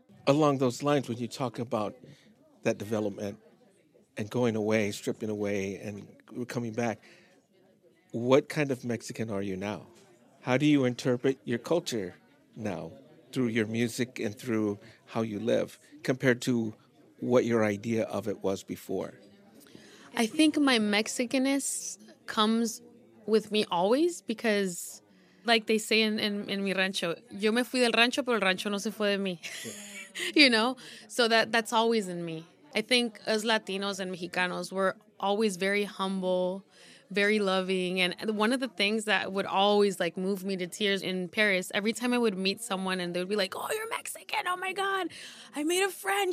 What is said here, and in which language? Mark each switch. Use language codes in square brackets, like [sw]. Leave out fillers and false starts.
[en] Along those lines, when you talk about that development and going away, stripping away, and coming back, what kind of Mexican are you now? How do you interpret your culture now through your music and through how you live compared to what your idea of it was before? I think my Mexicanness comes with me always because, like they say in mi rancho, [es] yo me fui del rancho, pero el rancho no se fue de mí. [en] You know? So that's always in me. I think as Latinos and Mexicanos, we're always very humble, very loving. And one of the things that would always, like, move me to tears in Paris, every time I would meet someone and they would be like, oh, you're Mexican. Oh, my God. I made a friend.